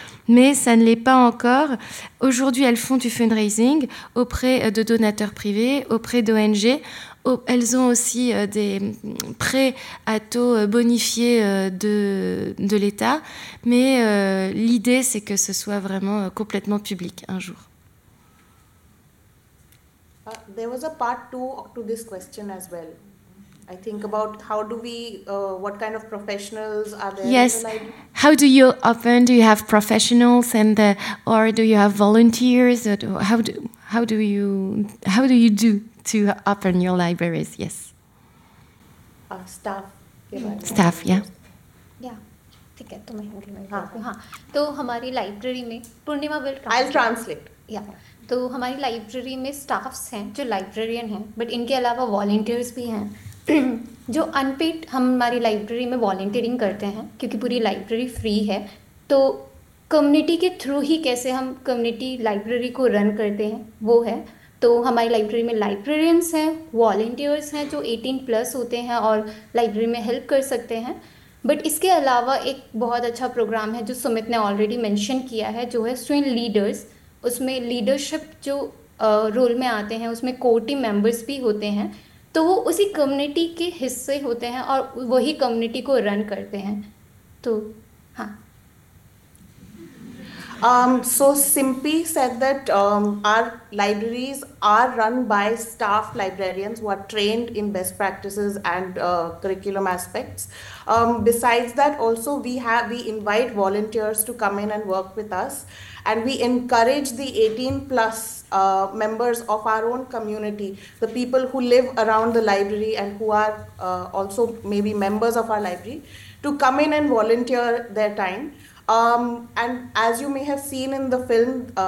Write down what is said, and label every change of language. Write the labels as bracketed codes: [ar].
[fr] Mais ça ne l'est pas encore. Aujourd'hui, elles font du fundraising auprès de donateurs privés, auprès d'ONG. Elles ont aussi des prêts à taux bonifiés de l'État. Mais l'idée, c'est que ce soit vraiment complètement public un jour. [en] There was a part two to this question as well. I think about how do we, what kind of professionals are there? Yes. How do you often do you have professionals and or do you have volunteers? Or how do you do to open your libraries? Yes. Staff. Yeah. [hi] ठीक है तो मैं हिंदी में हाँ तो हमारी library में पूर्णिमा will [en] I translate [hi] या तो हमारी लाइब्रेरी में स्टाफ्स हैं जो लाइब्रेरियन हैं बट इनके अलावा वॉलंटियर्स भी हैं जो अनपेड हमारी लाइब्रेरी में वॉलंटियरिंग करते हैं क्योंकि पूरी लाइब्रेरी फ्री है तो कम्युनिटी के थ्रू ही कैसे हम कम्युनिटी लाइब्रेरी को रन करते हैं वो है तो हमारी लाइब्रेरी में लाइब्रेरियंस हैं वॉलंटियर्स हैं जो 18 प्लस होते हैं और लाइब्रेरी में हेल्प कर सकते हैं बट इसके अलावा एक बहुत अच्छा प्रोग्राम है जो सुमित ने ऑलरेडी मेंशन किया है जो है स्टूडेंट लीडर्स उसमें लीडरशिप जो रोल में आते हैं उसमें कोर टीम मेंबर्स भी होते हैं तो वो उसी कम्युनिटी के हिस्से होते हैं और वही कम्युनिटी को रन करते हैं तो [en] हाँ so Simpy said that our libraries are run by staff librarians who are trained in best practices and curriculum aspects besides that also we invite volunteers to come in and work with us and we encourage the 18 plus members of our own community the people who live around the library and who are also maybe members of our library to come in and volunteer their time and as you may have seen in the film